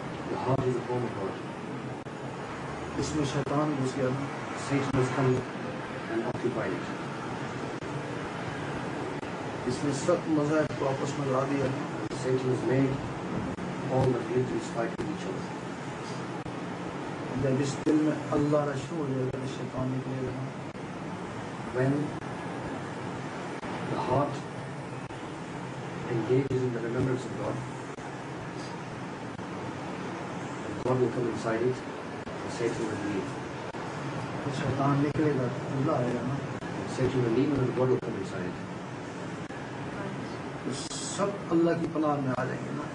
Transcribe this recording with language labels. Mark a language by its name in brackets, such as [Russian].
[English] The heart is a form of God. Satan was here. Satan has come and occupied it. Satan has made all the religions fight with each other. [Urdu] جب اس دل میں اللہ رشو ہو جائے گا شیطان نکلے گا [English] When the heart engages in the remembrance of God God will come inside it and Satan will leave [Urdu] شیطان نکلے گا اللہ آئے گا نا [English] Satan will leave and God will come inside it [Urdu] سب اللہ کی پناہ میں آ جائیں گے نا